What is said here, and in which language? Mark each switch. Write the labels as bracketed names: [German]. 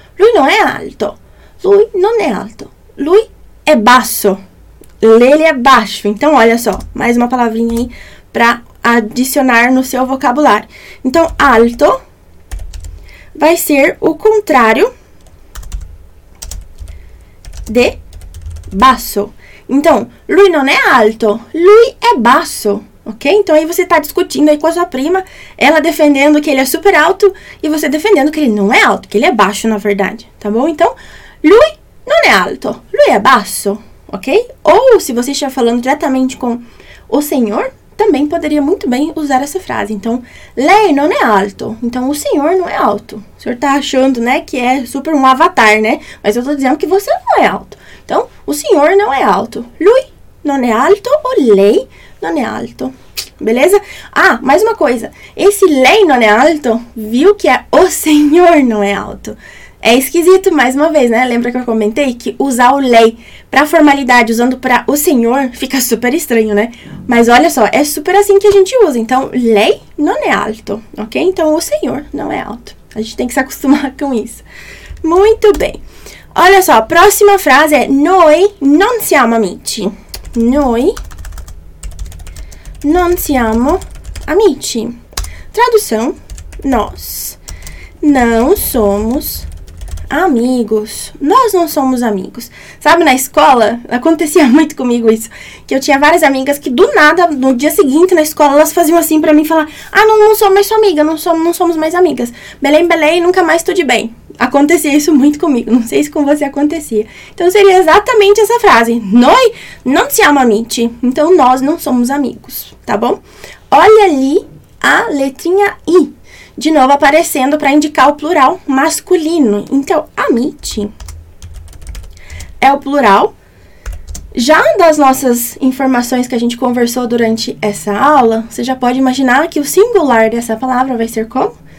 [Italian] Lui non è alto. Lui non è alto. Lui è basso. [Portuguese] Lele é baixo. Então, olha só, mais uma palavrinha aí para adicionar no seu vocabulário. Então, alto vai ser o contrário de basso. [Italian] Então, lui non è alto, lui è basso, ok? [Portuguese] Então, aí você está discutindo aí com a sua prima, ela defendendo que ele é super alto e você defendendo que ele não é alto, que ele é baixo, na verdade, tá bom? [Italian] Então, lui non è alto, lui è basso, ok? [Portuguese] Ou, se você estiver falando diretamente com o senhor, também poderia muito bem usar essa frase. Então, [Italian] lei non è alto. [Portuguese] Então, o senhor não é alto. O senhor tá achando, né, que é super um avatar, né? Mas eu tô dizendo que você não é alto. Então, o senhor não é alto. [Italian] Lui non è alto ou lei non è alto. [Portuguese] Beleza? Ah, mais uma coisa. Esse [Italian] lei non è alto, [Portuguese] viu que é o senhor não é alto. É esquisito, mais uma vez, né? Lembra que eu comentei que usar o lei para formalidade, usando para o senhor, fica super estranho, né? Mas olha só, é super assim que a gente usa. Então, lei não é alto, ok? Então, o senhor não é alto. A gente tem que se acostumar com isso. Muito bem. Olha só, a próxima frase é [Italian] noi non siamo amici. Noi non siamo amici. [Portuguese] Tradução: nós não somos amigos, nós não somos amigos. Sabe, na escola, acontecia muito comigo isso, que eu tinha várias amigas que do nada, no dia seguinte na escola, elas faziam assim para mim, falar: ah, não sou mais sua amiga, não somos mais amigas. Belém, belém, nunca mais tô de bem. Acontecia isso muito comigo, não sei se com você acontecia. Então seria exatamente essa frase: [Italian] Noi non siamo amici. [Portuguese] Então nós não somos amigos, tá bom? Olha ali a letrinha I. De novo aparecendo para indicar o plural masculino. Então, amici é o plural. Já das nossas informações que a gente conversou durante essa aula, você já pode imaginar que o singular dessa palavra vai ser como?